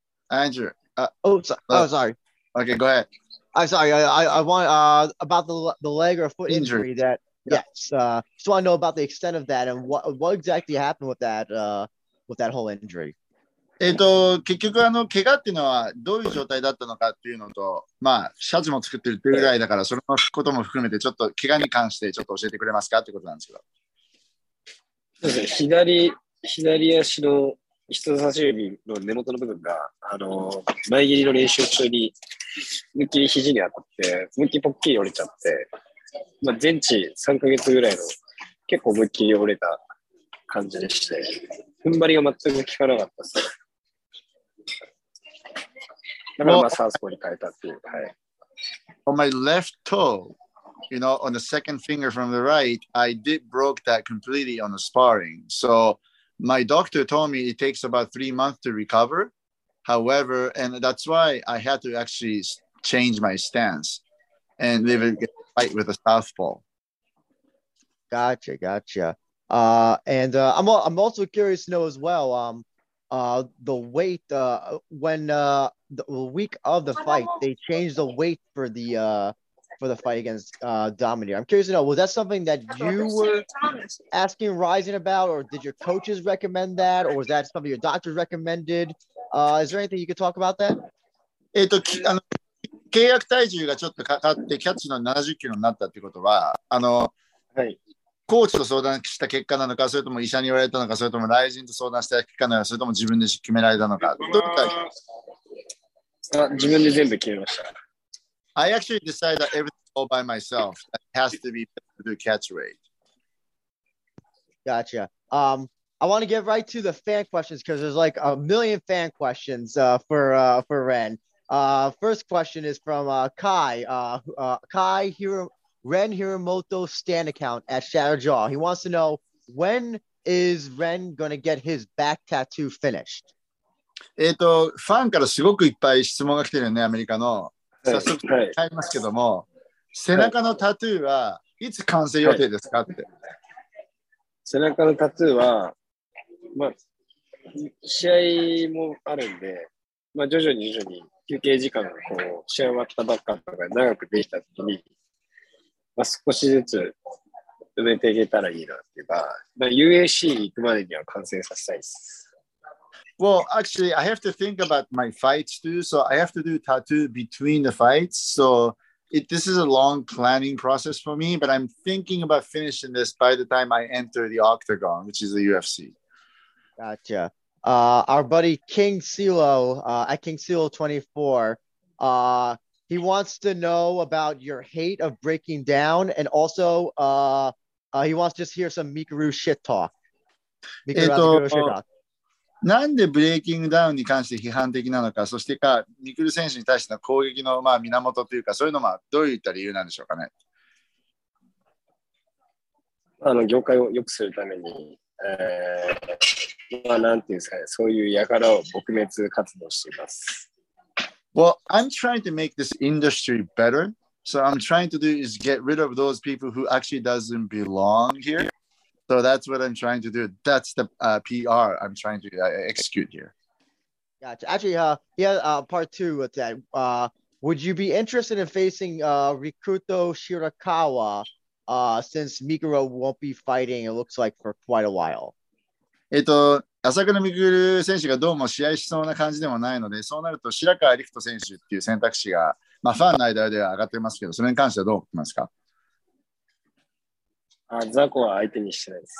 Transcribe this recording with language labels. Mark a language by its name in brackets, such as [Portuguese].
[English] Andrew. Sorry. Okay, go ahead. I'm sorry. I want about the leg or foot injury that, yeah. Yes. Just want to know about the extent of that and what exactly happened with that whole injury. [Japanese] 結局あの怪我っていうのはどういう状態だったのかっていうのと、まあシャツも作ってるっていうぐらいだから、それのことも含めてちょっと怪我に関してちょっと教えてくれますかってことなんですけど。そうですね。左足の人差し指の根元の部分が前蹴りの練習中に思いっきり肘に当たって思いっきりポッキリ折れちゃって、まあ全治3ヶ月ぐらいの結構思いっきり折れた感じでして。踏ん張りが全く効かなかったです。だからまあサウスポーに変えたっていう。はい。 [English] On my left toe, you know, on the second finger from the right, I did broke that completely on the sparring. So my doctor told me it takes about 3 months to recover. However, and that's why I had to actually change my stance and live a fight with a southpaw. Gotcha, gotcha. I'm also curious to know as well, the weight, the week of the fight, they changed the weight for the fight against Dominator. I'm curious to know, was that something that you were asking Rising about, or did your coaches recommend that, or was that something your doctors recommended? Is there anything you could talk about that? [Japanese] 契約体重がちょっとかかってキャッチの70キロになったってことは、はい。コーチと相談した結果なのか、それとも医者に言われたのか、それともライジンと相談した結果なのか、それとも自分で決められたのか、どういった？自分で全部決めました。 [English] I actually decided that everything all by myself has to be the catch rate. Gotcha. I want to get right to the fan questions because there's like a million fan questions for Ren. First question is from Kai. Kai here. Ren Hiramoto stan account at Shatterjaw. He wants to know, when is Ren going to get his back tattoo finished? [Japanese] ファンからすごくいっぱい質問が来てるよね、アメリカの。早速変えますけども、はい、背中のタトゥーはいつ完成予定ですかって。背中のタトゥーは、まあ、試合もあるんで、まあ、徐々に休憩時間がこう試合終わったばっかとか長くできたときに、まあ、少しずつ埋めていけたらいいなっていうか、まあ、UAC 行くまでには完成させたいです。 [English] Well, actually, I have to think about my fights too, so I have to do tattoo between the fights, so this is a long planning process for me, but I'm thinking about finishing this by the time I enter the octagon, which is the UFC. Gotcha. Our buddy King Silo, at King Silo 24, he wants to know about your hate of breaking down, and also he wants to just hear some Mikuru shit talk. [Japanese] なんでブレイキングダウンに関して批判的なのか、そしてかミクル選手に対しての攻撃のまあ源というか、そういうのはどういった理由なんでしょうかね。業界を良くするために、まあなんていうんですかね、そういう輩を撲滅活動しています。 [English] Well, I'm trying to make this industry better. So I'm trying to do is get rid of those people who actually doesn't belong here. So that's what I'm trying to do. That's the PR I'm trying to execute here. Gotcha. Actually, part two with that. Would you be interested in facing Rikuto Shirakawa since Meguro won't be fighting, it looks like, for quite a while? [Japanese] 朝倉未来選手がどうも試合しそうな感じでもないので、そうなると白川陸人選手っていう選択肢が、まあ、ファンの間では上がってますけど、それに関してはどう思いますか？あ、ザコは相手にしてないです。